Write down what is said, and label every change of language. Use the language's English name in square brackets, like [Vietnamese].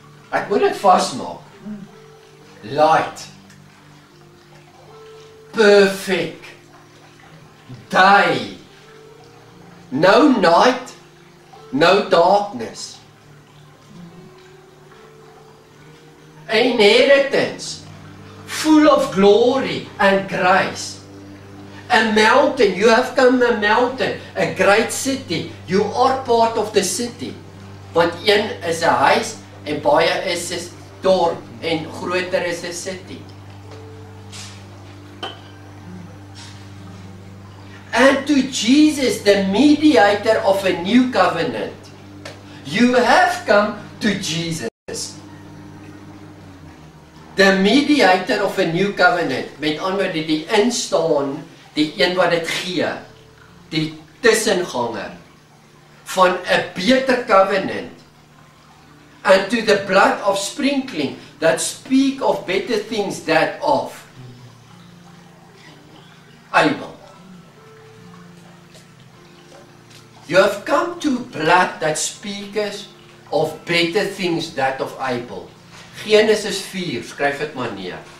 [Afrikaans] Ek moet dit vastmaak, [English] light, perfect, day, no night, no darkness. Inheritance, full of glory and grace. A mountain, you have come a mountain, a great city. You are part of the city. [Afrikaans] Want een is a huis, en baie is a dorp, en groter is a city. [English] And to Jesus, the mediator of a new covenant, you have come to Jesus. The mediator of a new covenant, [Afrikaans] met ander die die instaan, die een wat het gee, die tussenganger, van a beter covenant, [English] and to the blood of sprinkling, that speak of better things that of Abel. You have come to blood that speaks of better things that of Abel. [Afrikaans] Genesis 4, skryf het maar neer.